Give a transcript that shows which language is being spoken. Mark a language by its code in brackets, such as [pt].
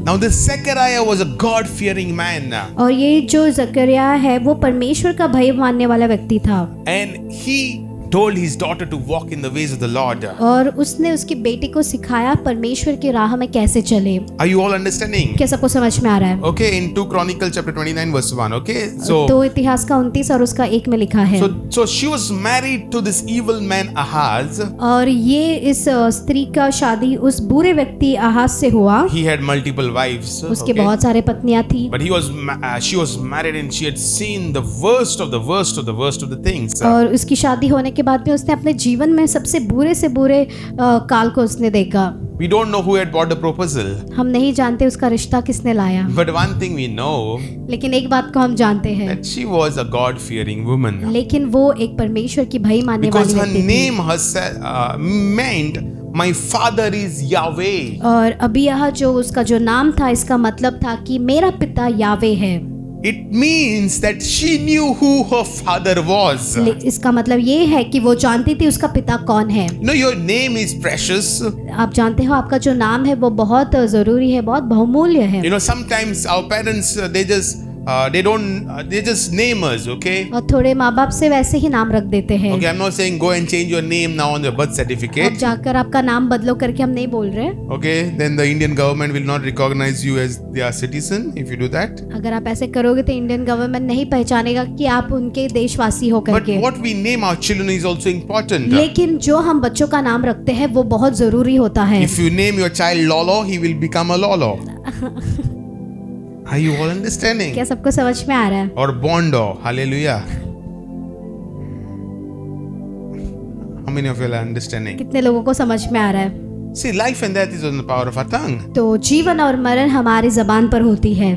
[en] Now this Zechariah was a God-fearing man. [hi] और ये जो जकरिया है वो परमेश्वर का भय मानने वाला व्यक्ति था. [en] And he told his daughter to walk in the ways of the Lord. [hi] और उसने उसकी बेटी को सिखाया परमेश्वर की राह में कैसे चले. [en] Are you all understanding? [hi] क्या सबको समझ में आ रहा है? [en] Okay, in 2 Chronicles chapter 29 verse 1. Okay, so [hi] तो इतिहास का 29 और उसका 1 में लिखा है. [en] So she was married to this evil man Ahaz. [hi] और ये इस स्त्री का शादी उस बुरे व्यक्ति अहाज से हुआ. [en] He had multiple wives. [hi] उसके okay. बहुत सारे पत्नियां थी. [en] But she was married and she had seen the worst of the worst of the worst of the things. [hi] और उसकी शादी होने के बाद में उसने अपने जीवन में सबसे बुरे से बुरे काल को उसने देखा. [en] We don't know who had brought the proposal. [hi] हम नहीं जानते उसका रिश्ता किसने लाया. [en] But one thing we know. [hi] लेकिन एक बात को हम जानते हैं. [en] That she was a God-fearing woman. [hi] लेकिन वो एक परमेश्वर की भय मानने वाली थी. [en] Because her name herself meant My father is Yahweh. [hi] और अभी यह जो उसका जो नाम था इसका मतलब था कि मेरा पिता यावे है. [en] It means that she knew who her father was. [hi] इसका मतलब ये है कि वो जानती थी उसका पिता कौन है. [en] No, your name is precious. [hi] आप जानते हो आपका जो नाम है वो बहुत जरूरी है, बहुत बहुमूल्य है. [en] You know, sometimes our parents they just name us, okay? [hi] और थोड़े माँ बाप से वैसे ही नाम रख देते हैं. [en] Okay, I'm not saying go and change your name now on your birth certificate. [hi] अब जाकर आपका नाम बदलो करके हम नहीं बोल रहे. [en] Okay, then the Indian government will not recognize you as their citizen if you do that. [hi] अगर आप ऐसे करोगे तो Indian government नहीं पहचानेगा कि आप उनके देशवासी हो करके. [en] But what we name our children is also important. [hi] लेकिन जो हम बच्चों का नाम रखते हैं वो बहुत जरूरी होता है. [en] If you name your child Lolo, he will become a Lolo. Are you all understanding? [hi] क्या सबको समझ में आ रहा है? [en] Or Bondo, Hallelujah. How many of you are understanding? [hi] कितने लोगों को समझ में आ रहा है? [en] See, life and death is on the power of our tongue. [hi] तो जीवन और मरण हमारी ज़बान पर होती है.